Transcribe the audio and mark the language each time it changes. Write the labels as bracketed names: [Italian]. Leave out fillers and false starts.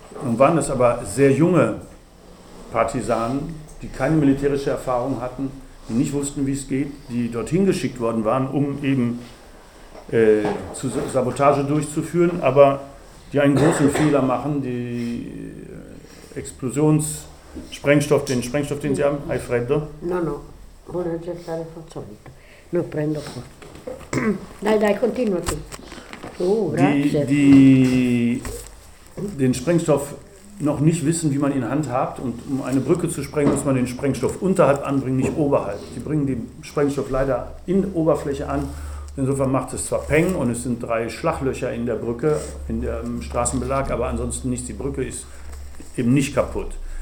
[German] Nun waren es aber sehr junge Partisanen, die keine militärische Erfahrung hatten, die nicht wussten, wie es geht, die dorthin geschickt worden waren, um eben zu Sabotage durchzuführen, aber die einen großen Fehler machen, die Explosionssprengstoff, den Sprengstoff, den Sie haben, Alfredo? [Italian] No, vuole cercare fazzolito. Lo prendo qua. Dai, continua tu. [German] Den Sprengstoff noch nicht wissen, wie man ihn handhabt. Und um eine Brücke zu sprengen, muss man den Sprengstoff unterhalb anbringen, nicht oberhalb. Die bringen den Sprengstoff leider in die Oberfläche an. Insofern macht es zwar Peng und es sind drei Schlaglöcher in der Brücke, in dem Straßenbelag, aber ansonsten nichts. Die Brücke ist eben nicht kaputt.